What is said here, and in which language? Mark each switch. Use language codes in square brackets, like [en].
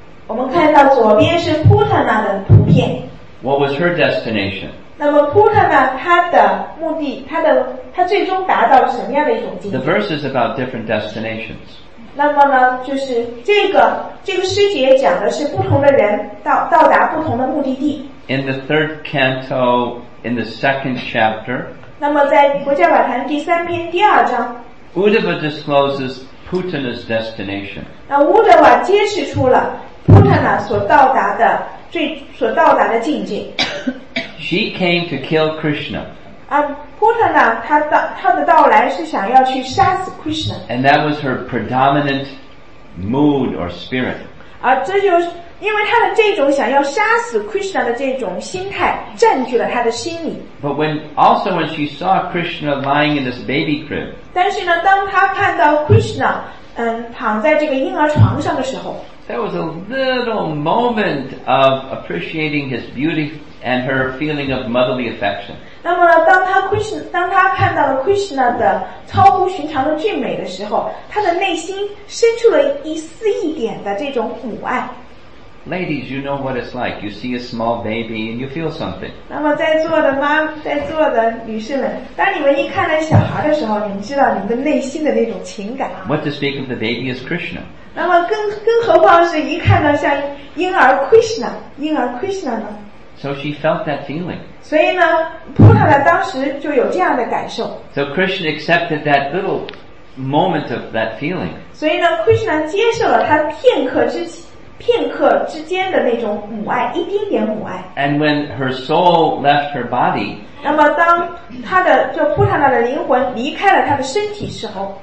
[zh] 我们看到左边是 Putana 的图片。 [en] What was her destination? [zh] 那么 Putana 她的目的，她最终达到了什么样的一种境界？ [en] The verse is about different destinations. [zh] 那么呢，就是这个诗节讲的是不同的人到达不同的目的地。 [en] In the third canto, in the second chapter. [zh] 那么在《国家宝坛》第三篇第二章。 [en] Uddhava discloses Putana's destination. [zh] 那 Uddhava 揭示出了 Putana 所到达的境界。 [en] She came to kill Krishna. [zh] Putana 她的到来是想要去杀死 Krishna. [en] And that was her predominant mood or spirit. [zh] 这就是因为她的这种想要杀死 Krishna 的这种心态占据了她的心里。 [en] But when she saw Krishna lying in this baby crib, [zh] 但是呢，当她看到 Krishna, 躺在这个婴儿床上的时候 [en] ，there was a little moment of appreciating his beauty and her feeling of motherly affection. [zh] 那么呢，当她看到了 Krishna 的超乎寻常的俊美的时候，她的内心生出了一丝一点的这种母爱。 [en] Ladies, you know what it's like. You see a small baby and you feel something. [zh] 那么在座的女士们，当你们一看到小孩的时候，你们知道你们内心的那种情感。 [en] What to speak of the baby is Krishna. [zh] 那么更何况是一看到像婴儿 Krishna 呢？ [en] So she felt that feeling. [zh] 所以呢，普拉达当时就有这样的感受。 [en] So Krishna accepted that little moment of that feeling. [zh] 所以呢，库什纳接受了他片刻之间的那种母爱，一丁点母爱。 [en] And when her soul left her body. [zh] 那么当他的这普拉达的灵魂离开了他的身体时候